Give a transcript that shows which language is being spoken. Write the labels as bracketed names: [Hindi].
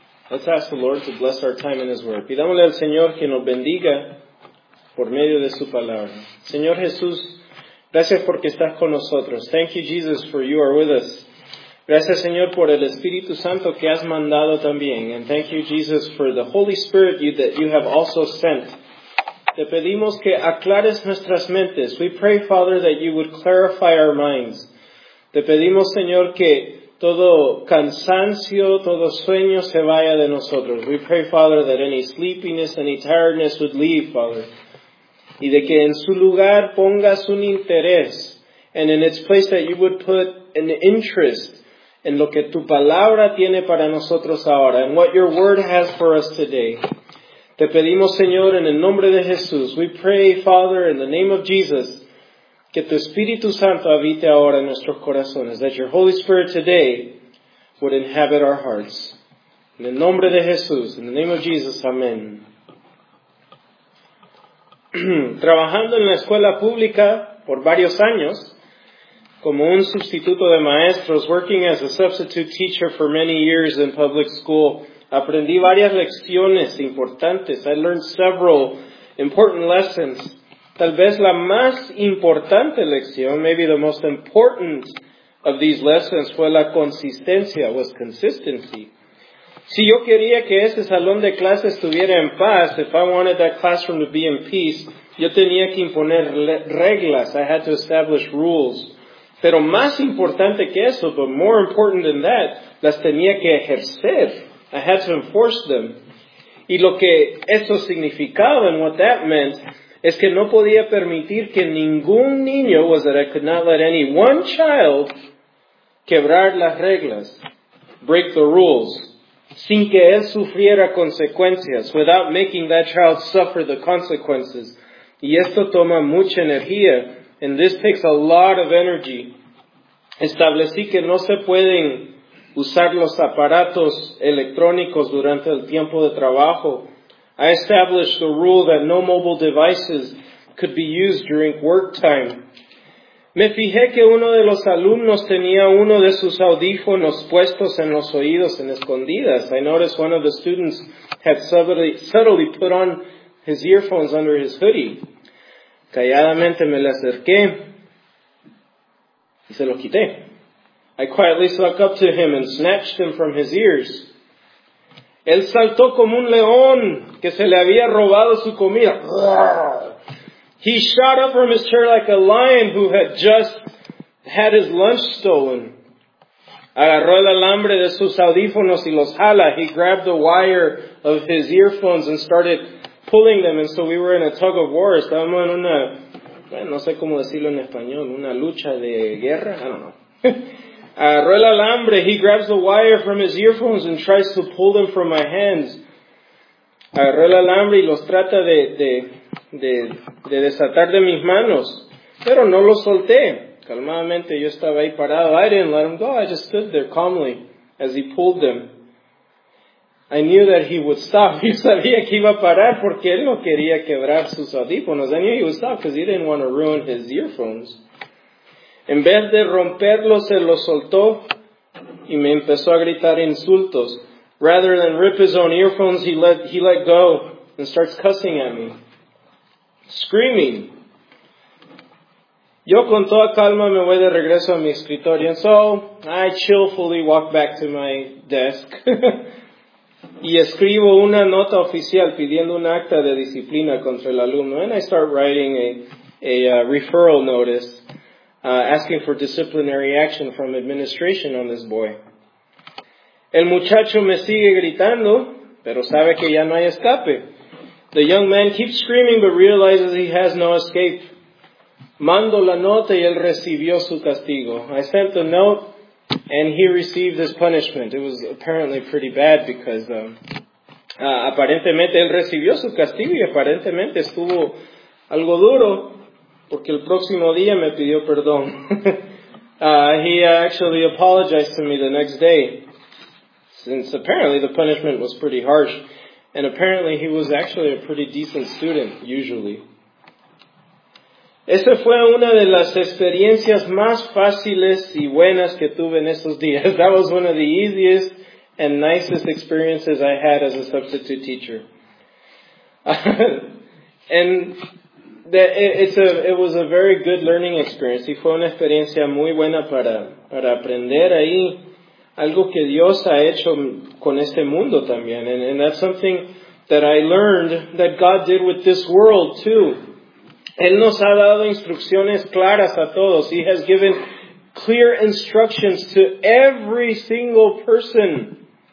[English] Let's ask the Lord to bless our time in His Word. [Spanish] Pidámosle al Señor que nos bendiga por medio de su palabra. Señor Jesús, gracias porque estás con nosotros. [English] Thank you, Jesus, for you are with us. [Spanish] Gracias, Señor, por el Espíritu Santo que has mandado también. [English] And thank you, Jesus, for the Holy Spirit that you have also sent. [Spanish] Te pedimos que aclares nuestras mentes. [English] We pray, Father, that you would clarify our minds. [Spanish] Te pedimos, Señor, que todo cansancio, todo sueño se vaya de nosotros. [English] We pray, Father, that any sleepiness, any tiredness would leave, Father. [Spanish] Y de que en su lugar pongas un interés. [English] And in its place that you would put an interest [Spanish] en lo que tu palabra tiene para nosotros ahora. [English] And what your word has for us today. [Spanish] Te pedimos, Señor, en el nombre de Jesús. [English] We pray, Father, in the name of Jesus. [Spanish] Que tu Espíritu Santo habite ahora en nuestros corazones. [English] That your Holy Spirit today would inhabit our hearts. [Spanish] En el nombre de Jesús. [English] In the name of Jesus. [Spanish] Amén. Trabajando en la escuela pública por varios años, como un sustituto de maestros, [English] working as a substitute teacher for many years in public school, [Spanish] aprendí varias lecciones importantes. [English] I learned several important lessons. [Spanish] Tal vez la más importante lección, [English] maybe the most important of these lessons, [Spanish] fue la consistencia, [English] was consistency. [Spanish] Si yo quería que ese salón de clases estuviera en paz, [English] if I wanted that classroom to be in peace, [Spanish] yo tenía que imponer reglas, [English] I had to establish rules. [Spanish] Pero más importante que eso, [English] but more important than that, [Spanish] las tenía que ejercer, [English] I had to enforce them. [Spanish] Y lo que eso significaba [English] and what that meant, [Spanish] es que no podía permitir que ningún niño, [English] was that I could not let any one child [Spanish] quebrar las reglas, [English] break the rules, [Spanish] sin que él sufriera consecuencias, [English] without making that child suffer the consequences. [Spanish] Y esto toma mucha energía, [English] and this takes a lot of energy. [Spanish] Establecí que no se pueden usar los aparatos electrónicos durante el tiempo de trabajo. [English] I established the rule that no mobile devices could be used during work time. [Spanish] Me fijé que uno de los alumnos tenía uno de sus audífonos puestos en los oídos en escondidas. [English] I noticed one of the students had subtly put on his earphones under his hoodie. [Spanish] Calladamente me le acerqué y se lo quité. [English] I quietly snuck up to him and snatched them from his ears. [Spanish] Él saltó como un león que se le había robado su comida. [English] He shot up from his chair like a lion who had just had his lunch stolen. [Spanish] Agarró el alambre de sus audífonos y los jala. [English] He grabbed the wire of his earphones and started pulling them. And so we were in a tug of war. [Spanish] Estábamos en una, no sé cómo decirlo en español, una lucha de guerra. [English] I don't know. [Spanish] Agarró el alambre. [English] He grabs the wire from his earphones and tries to pull them from my hands. [Spanish] Agarró el alambre y los trata de desatar de mis manos. Pero no los solté. Calmadamente yo estaba ahí parado. [English] I didn't let him go. I just stood there calmly as he pulled them. I knew that he would stop. [Spanish] Yo sabía que iba a parar porque él no quería quebrar sus audífonos. [English] I knew he would stop because he didn't want to ruin his earphones. [Spanish] En vez de romperlos, se los soltó y me empezó a gritar insultos. [English] Rather than rip his own earphones, he let go and starts cussing at me, screaming. [Spanish] Yo con toda calma me voy de regreso a mi escritorio. [English] And so I chillfully walk back to my desk [Spanish] y escribo una nota oficial pidiendo un acta de disciplina contra el alumno. [English] And I start writing a referral notice. Asking for disciplinary action from administration on this boy. [Spanish] El muchacho me sigue gritando, pero sabe que ya no hay escape. [English] The young man keeps screaming, but realizes he has no escape. [Spanish] Mando la nota y él recibió su castigo. [English] I sent the note, and he received his punishment. It was apparently pretty bad because, [Spanish] aparentemente él recibió su castigo y aparentemente estuvo algo duro. Porque el próximo día me pidió perdón. [English] he actually apologized to me the next day. Since apparently the punishment was pretty harsh. And apparently he was actually a pretty decent student, usually. [Spanish] Esa fue una de las experiencias más fáciles y buenas que tuve en esos días. [English] That was one of the easiest and nicest experiences I had as a substitute teacher. And that it was a very good learning experience. [Spanish] Y fue una experiencia muy buena para aprender ahí algo que Dios ha hecho con este mundo también. [English] And that's something that I learned that God did with this world too. [Spanish] Él nos ha dado instrucciones claras a todos. [English] He has given clear instructions to every single person.